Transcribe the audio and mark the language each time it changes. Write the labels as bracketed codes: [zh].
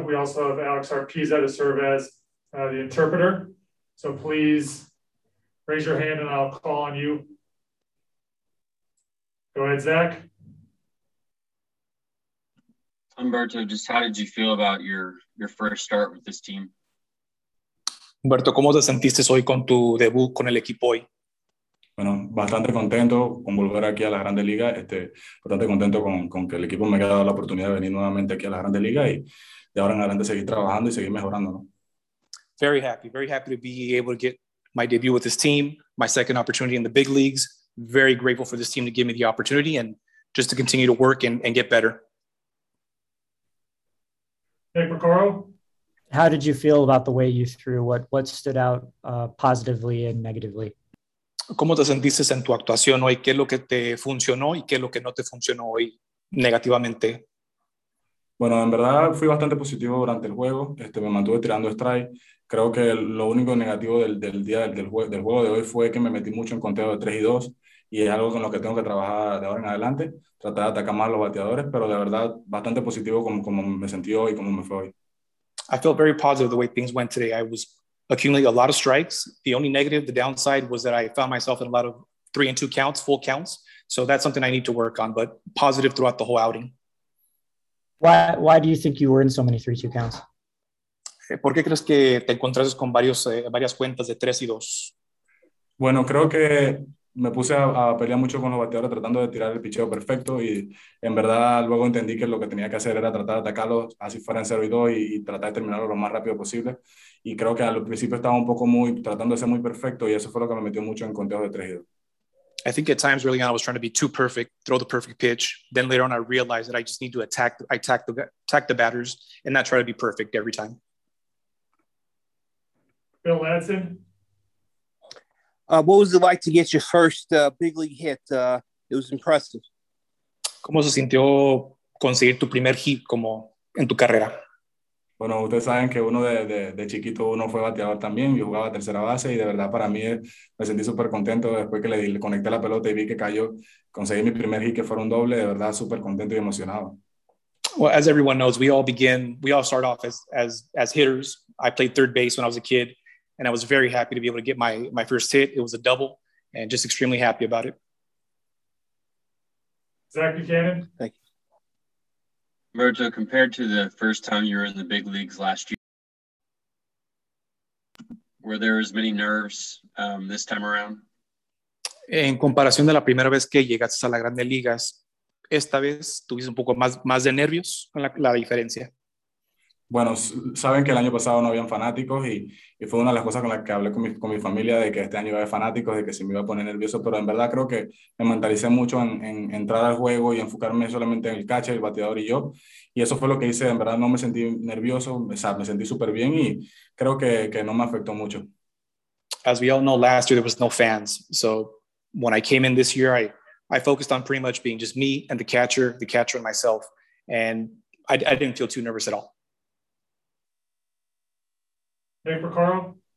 [en] We also have Alex Arpiza to serve as the interpreter. So please raise your hand and I'll call on you. Go ahead, Zach. Humberto, just how did you feel about your first start with this team? [es] Humberto, ¿cómo te sentiste hoy con tu debut con el equipo hoy? Bueno, bastante contento con volver aquí a la Grande Liga. Bastante contento con que el equipo me haya dado la oportunidad de venir nuevamente aquí a la Grande Liga y de ahora en adelante seguir trabajando y seguir mejorando, ¿no? [en] Very happy to be able to get my debut with this team, my second opportunity in the big leagues. Very grateful for this team to give me the opportunity and just to continue to work and get better. Hey, Pecoro. How did you feel about the way you threw? What stood out positively and negatively? [es] ¿Cómo te sentiste en tu actuación hoy? ¿Qué es lo que te funcionó y qué es lo que no te funcionó hoy negativamente? Bueno, en verdad fui bastante positivo durante el juego. Me mantuve tirando strike. Creo que lo único negativo del juego de hoy fue que me metí mucho en conteo de 3 y 2 y es algo con lo que tengo que trabajar de ahora en adelante, tratar de atacar más a los bateadores, pero de verdad bastante positivo como me sentí hoy y cómo me fue hoy. [en] I felt very positive the way things went today. I was accumulating a lot of strikes. The only negative, the downside, was that I found myself in a lot of 3-2 counts, full counts. So that's something I need to work on, but positive throughout the whole outing. Why do you think you were in so many 3-2 counts? [es] ¿Por qué crees que te encontraste con varias cuentas de 3 y 2? Bueno, creo que me puse a pelear mucho con los bateadores tratando de tirar el picheo perfecto y en verdad luego entendí que lo que tenía que hacer era tratar de atacarlos así fuera en 0 y 2 y tratar de terminarlo lo más rápido posible. Y creo que al principio estaba un poco muy tratando de ser muy perfecto y eso fue lo que me metió mucho en conteos de 3 y 2. [en] I think at times early on I was trying to be too perfect, throw the perfect pitch. Then later on I realized that I just need to attack the batters and not try to be perfect every time. Bill Ladson. What was it like to get your first big league hit? It was impressive. [es] ¿Cómo se sintió conseguir tu primer hit como en tu carrera? Bueno, ustedes saben que uno de chiquito uno fue bateador también, yo jugaba tercera base y de verdad para mí me sentí súper contento después que le conecté la pelota y vi que cayó, conseguí mi primer hit que fue un doble, de verdad súper contento y emocionado. [en] Well, as everyone knows, we all start off as hitters. I played third base when I was a kid and I was very happy to be able to get my first hit. It was a double and just extremely happy about it. Zach Buchanan. Thank you. Roberto, compared to the first time you were in the big leagues last year, were there as many nerves this time around? [es] En comparación de la primera vez que llegaste a las grandes ligas, esta vez tuviste un poco más de nervios, la diferencia. Bueno, saben que el año pasado no habían fanáticos y fue una de las cosas con las que hablé con mi familia de que este año iba a haber fanáticos, de que se me iba a poner nervioso, pero en verdad creo que me mentalicé mucho en entrar al juego y enfocarme solamente en el catcher, el bateador y yo. Y eso fue lo que hice, en verdad no me sentí nervioso, me sentí súper bien y creo que no me afectó mucho. [en] As we all know, last year there was no fans. So when I came in this year, I focused on pretty much being just me and the catcher and myself. And I didn't feel too nervous at all. Hey, Percaro.